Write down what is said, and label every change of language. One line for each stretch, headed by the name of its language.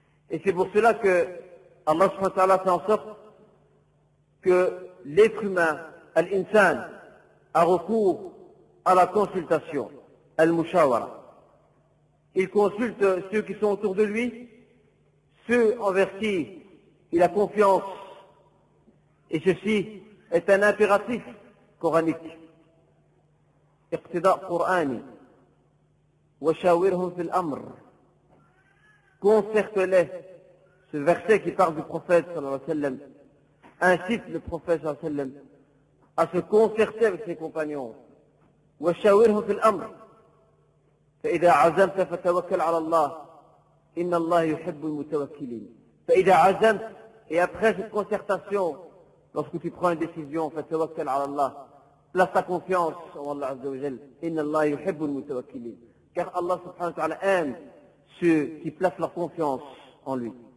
French: Et c'est pour cela que Allah subhanahu wa ta'ala fait en sorte que l'être humain, al-insan, a recours à la consultation, al-mushawara. Il consulte ceux qui sont autour de lui, ceux envers qui il a confiance. Et ceci est un impératif coranique.
Arabic: اقتداء قراني وشاورهم في الامر.
French: Concerte-les. Ce verset qui parle du prophète
Arabic: صلى الله عليه وسلم
French: incite le prophète صلى الله عليه وسلم à se concerter avec ses compagnons.
Arabic: وشاورهم في الامر. فاذا عزمت فتوكل على الله ان الله يحب المتوكلين. فاذا عزمت,
French: et après cette concertation, lorsque tu prends une décision,
Arabic: فتوكل على الله.
French: Place ta confiance en Allah Azza wa Jal.
Arabic: Inna Allah yuhibbul mutawakkilin.
French: Car Allah subhanahu wa ta'ala aime ceux qui placent leur confiance en lui.